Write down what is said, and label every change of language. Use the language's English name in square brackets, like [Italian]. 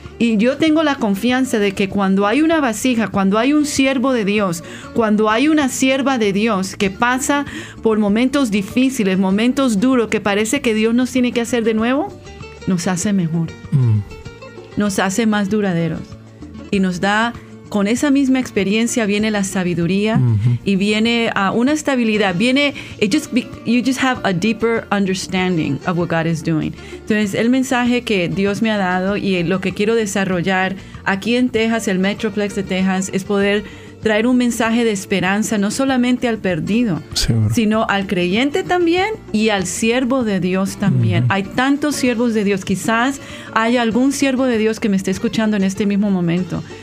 [Spanish] Y yo tengo la confianza de que cuando hay una vasija, cuando hay un siervo de Dios, cuando hay una sierva de Dios que pasa por momentos difíciles, momentos duros, que parece que Dios nos tiene que hacer de nuevo, nos hace mejor. Nos hace más duraderos. Y nos da, con esa misma experiencia, viene la sabiduría y viene una estabilidad. [English] Viene, you just have a deeper understanding of what God is doing. [Spanish] Entonces, el mensaje que Dios me ha dado y lo que quiero desarrollar aquí en Texas, el Metroplex de Texas, es poder traer un mensaje de esperanza, no solamente al perdido, sino al creyente también y al siervo de Dios también. Hay tantos siervos de Dios. Quizás haya algún siervo de Dios que me esté escuchando en este mismo momento.